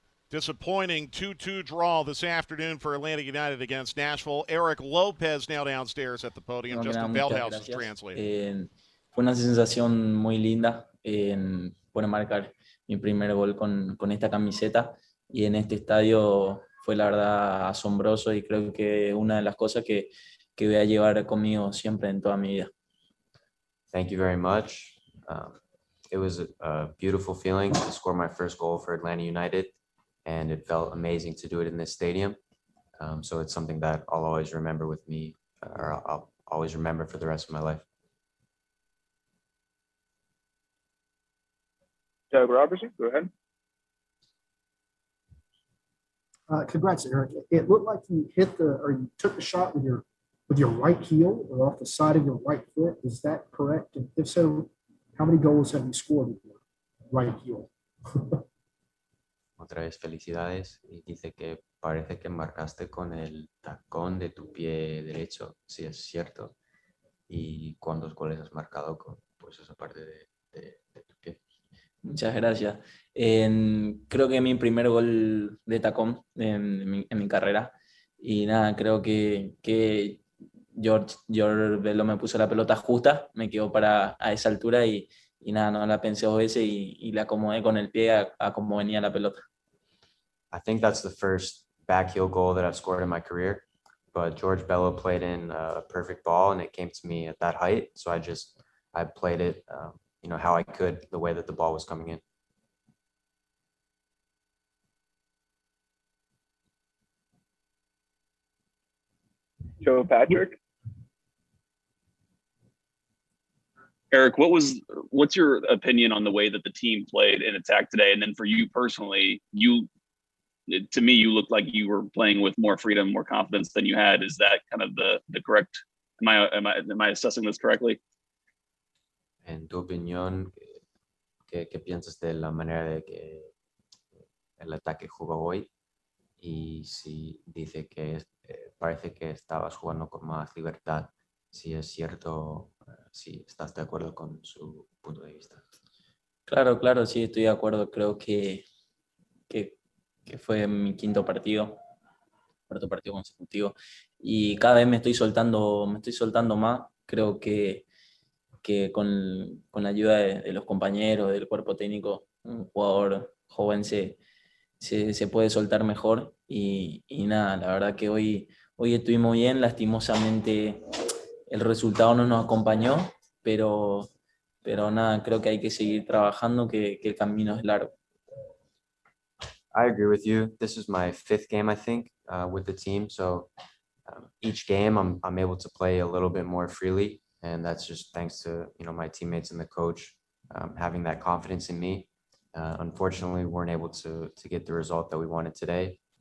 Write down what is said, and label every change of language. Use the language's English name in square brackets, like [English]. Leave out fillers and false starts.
[English] Disappointing 2-2 draw this afternoon for Atlanta United against Nashville. Eric Lopez now downstairs at the podium. Justin Feldhouse is translating. [Spanish] Fue una sensación muy linda poder marcar mi primer gol con esta camiseta. Y en este estadio fue la verdad asombroso y creo que una de las cosas que voy a llevar conmigo siempre en toda mi vida. [English] Thank you very much. It was a beautiful feeling to score my first goal for Atlanta United. And it felt amazing to do it in this stadium. So it's something that I'll always remember with me, or I'll always remember for the rest of my life. Doug Robertson, go ahead. Congrats, Eric. It looked like you hit took the shot with your right heel or off the side of your right foot. Is that correct? And if so, how many goals have you scored with your right heel? [Spanish] Otra vez felicidades y dice que parece que marcaste con el tacón de tu pie derecho, si es cierto. ¿Y cuántos goles has marcado con pues esa parte de tu pie? Muchas gracias. Creo que mi primer gol de tacón en mi carrera. Y nada, creo que George Bello me puso la pelota justa, me quedó para a esa altura y nada, no la pensé dos veces y la acomodé con el pie a como venía la pelota. [English] I think that's the first back heel goal that I've scored in my career, but George Bello played in a perfect ball and it came to me at that height. So I played it, how I could, the way that the ball was coming in. Joe Patrick. Eric, what's your opinion on the way that the team played and attacked today? And then for you personally, to me, you looked like you were playing with more freedom, more confidence than you had. Is that kind of the correct? Am I assessing this correctly? [Spanish] En tu opinión, qué piensas de la manera de que el ataque jugó hoy? Y si dice que parece que estabas jugando con más libertad, si es cierto, si estás de acuerdo con su punto de vista. Claro, claro, sí, estoy de acuerdo. Creo que fue mi cuarto partido consecutivo, y cada vez me estoy soltando más. Creo que con la ayuda de los compañeros, del cuerpo técnico, un jugador joven se puede soltar mejor, y nada, la verdad que hoy estuvimos bien. Lastimosamente el resultado no nos acompañó, pero nada, creo que hay que seguir trabajando, que el camino es largo. [English] I agree with you. This is my fifth game, I think, with the team. So each game I'm able to play a little bit more freely. And that's just thanks to, my teammates and the coach having that confidence in me. Unfortunately, we weren't able to get the result that we wanted today.